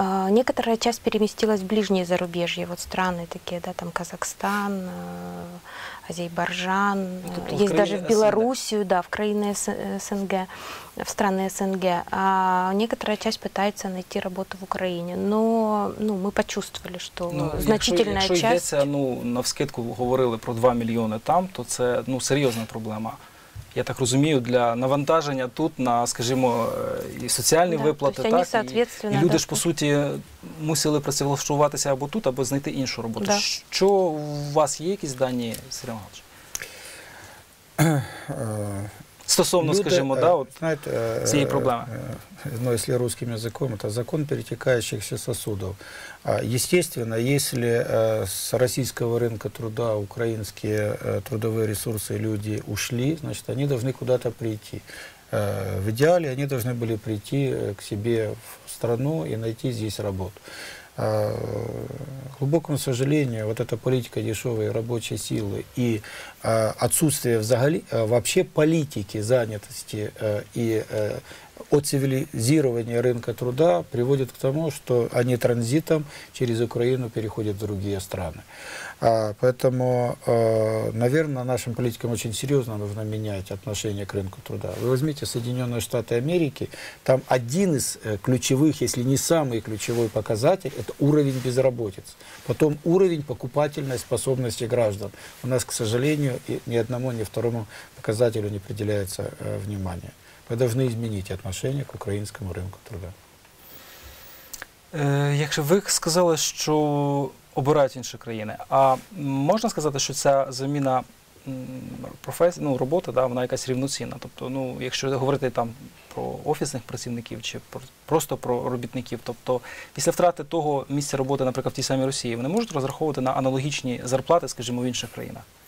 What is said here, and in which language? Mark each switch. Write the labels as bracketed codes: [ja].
[ru] Некоторая часть переместилась в ближние зарубежья, вот страны такие, да, там Казахстан, Азербайджан, есть даже в Белоруссию, да, в страны СНГ, в страны СНГ. А некоторая часть пытается найти работу в Украине, но, ну, мы почувствовали, что значительная часть. Если на вскидку говорили про 2 миллиона там, то это, ну, серьезная проблема. [uk] Я так розумію, для навантаження тут на, скажімо, і соціальні виплати, так, і люди ж, по суті, мусили працевлаштуватися або тут, або знайти іншу роботу. [ru] Да. [uk] Що у вас є якісь дані, Сергій Михайлович? Стосовно, люди, скажімо, да, от, знаєте, цієї проблеми. Ну, якщо російським язиком, то закон перетікаючих сосудів. [ru] Естественно, если с российского рынка труда украинские трудовые ресурсы, люди ушли, значит, они должны куда-то прийти. В идеале они должны были прийти к себе в страну и найти здесь работу. К глубокому сожалению, вот эта политика дешевой рабочей силы и отсутствие [uk] взагалі, [ru] вообще политики занятости и оцивилизирование рынка труда приводит к тому, что они транзитом через Украину переходят в другие страны. Поэтому, наверное, нашим политикам очень серьезно нужно менять отношение к рынку труда. Вы возьмите Соединенные Штаты Америки, там один из ключевых, если не самый ключевой показатель, это уровень безработицы. Потом уровень покупательной способности граждан. У нас, к сожалению, ни одному, ни второму показателю не определяется внимание. [uk] Ми повинні змінити відношення к українському ринку труда. Якщо ви сказали, що обирають інші країни, а можна сказати, що ця заміна професії, ну, роботи, да, вона якась рівноцінна? Тобто, ну, якщо говорити там про офісних працівників чи просто про робітників, тобто після втрати того місця роботи, наприклад, в тій самій Росії, вони можуть розраховувати на аналогічні зарплати, скажімо, в інших країнах?